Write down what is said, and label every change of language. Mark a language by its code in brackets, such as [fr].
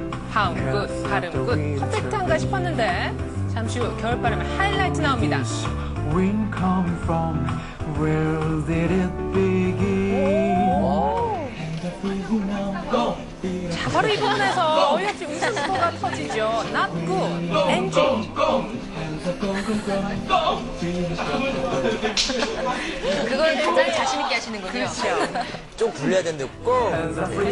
[ko] 하음 굿, 발음 굿, 퍼펙트한가 싶었는데 잠시 후 겨울바람의 하이라이트 나옵니다. [en] Wind come from where did it begin? [ko] 자, 바로 이 부분에서 어이없이 웃음소리가 터지죠. [en] Not good. Engine. [ko] 그걸 굉장히 자신있게 하시는군요. 그렇죠. 좀 불려야 되는데, 꽁!